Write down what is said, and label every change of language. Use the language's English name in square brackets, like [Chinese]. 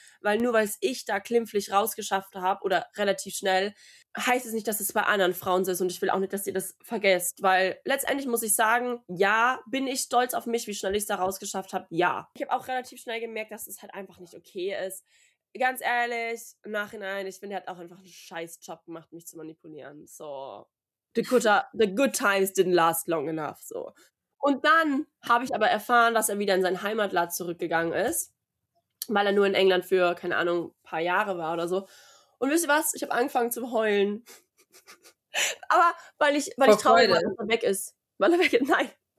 [German] Weil nur, weil ich da glimpflich rausgeschafft habe oder relativ schnell, heißt es nicht, dass es bei anderen Frauen so ist. Und ich will auch nicht, dass ihr das vergesst. Weil letztendlich muss ich sagen, ja, bin ich stolz auf mich, wie schnell ich es da rausgeschafft habe? Ja. Ich habe auch relativ schnell gemerkt, dass es halt einfach nicht okay ist. Ganz ehrlich, im Nachhinein, ich finde, er hat auch einfach einen scheiß Job gemacht, mich zu manipulieren. [English] So, the good times didn't last long enough. [German] So. Und dann habe ich aber erfahren, dass er wieder in sein Heimatland zurückgegangen ist, weil er nur in England für, keine Ahnung, ein paar Jahre war oder so. Und wisst ihr was? Ich habe angefangen zu heulen. Aber weil ich traurig war, dass er weg ist. Weil er weg ist. Nein.